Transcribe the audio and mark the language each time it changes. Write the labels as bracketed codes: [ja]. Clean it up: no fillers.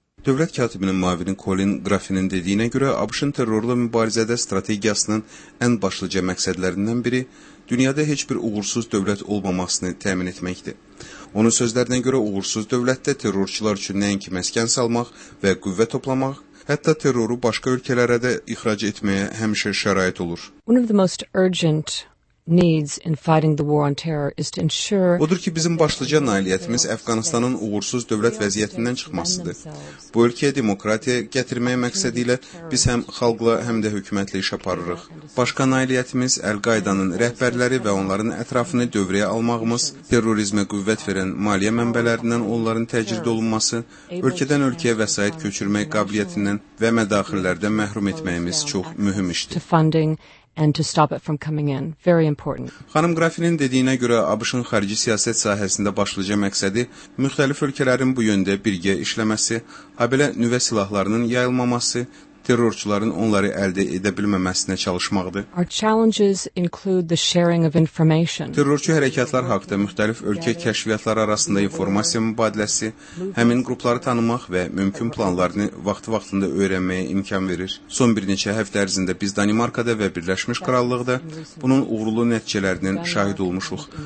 [az] Dövlət katibinin mavini Colin Graffinin dediyinə görə ABŞ-ın terrorla mübarizədə strategiyasının ən başlıca məqsədlərindən biri dünyada heç bir uğursuz dövlət olmamasını təmin etməkdir. Onun sözlərinə görə uğursuz dövlətdə terrorçular üçün nəinki məskən salmaq və qüvvə toplamaq, hətta terroru başqa ölkələrə də ixrac etməyə həmişə şərait olur. [en] One of the most urgent needs in fighting the war on terror is to ensure. [az] Odur ki, bizim başlıca nailiyyətimiz Əfqanistanın uğursuz dövlət vəziyyətindən çıxmasıdır. Bu ölkəyə demokratiya gətirmək məqsədi ilə biz həm xalqla, həm də hökumətlə iş aparırıq. Başqa nailiyyətimiz Əl-Qaidanın rəhbərləri və onların ətrafını dövrəyə almağımız, terrorizmə qüvvət verən maliyyə mənbələrindən onların təcrid olunması, ölkədən ölkəyə vəsait köçürmək qabiliyyətindən və mədaxillərdən məhrum etməyimiz çox mühüm işdir. [en] And to stop it from coming in, very important. [az] Xanım Grafinin dediyinə görə ABŞ-ın xarici siyasət sahəsində başlıca məqsədi müxtəlif ölkələrin bu yöndə birgə işləməsi, habelə nüvə silahlarının yayılmaması, terrorçuların onları əldə edə bilməməsinə çalışmaqdır. [en] Our challenges include the sharing of information. [az] Terrorçu hərəkətlər haqqında müxtəlif ölkə kəşfiyyatları arasında informasiya mübadiləsi, həmin qrupları tanımaq və mümkün planlarını vaxtı-vaxtında öyrənməyə imkan verir. Son bir neçə həftə ərzində biz Danimarkada və Birləşmiş Krallıqda bunun uğurlu nəticələrinin şahid olmuşuq.